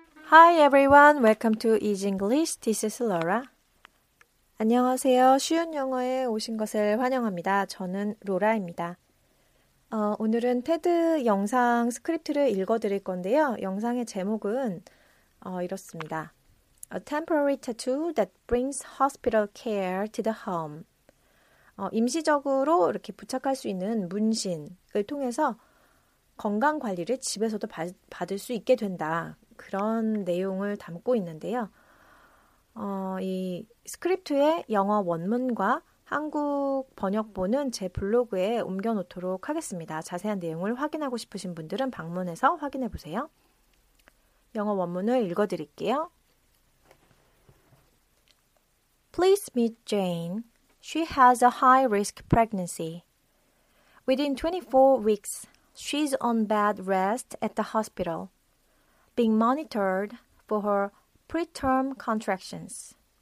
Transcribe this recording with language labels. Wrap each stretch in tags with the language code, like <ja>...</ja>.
<en>Hi everyone, welcome to Easy English. This is Laura.</en> <ko>안녕하세요. 쉬운 영어에 오신 것을 환영합니다. 저는 로라입니다. 오늘은 테드 영상 스크립트를 읽어드릴 건데요. 영상의 제목은 이렇습니다.</ko> <en>A temporary tattoo that brings hospital care to the home.</en> <ko>임시적으로 이렇게 부착할 수 있는 문신을 통해서 건강관리를 집에서도 받을 수 있게 된다. 그런 내용을 담고 있는데요. 이 스크립트의 영어 원문과 한국 번역본은 제 블로그에 옮겨놓도록 하겠습니다. 자세한 내용을 확인하고 싶으신 분들은 방문해서 확인해 보세요. 영어 원문을 읽어드릴게요.</ko> <en>Please meet Jane. She has a high-risk pregnancy. Within 24 weeks, she's on bed rest at the hospital, being monitored for her preterm contractions.</en>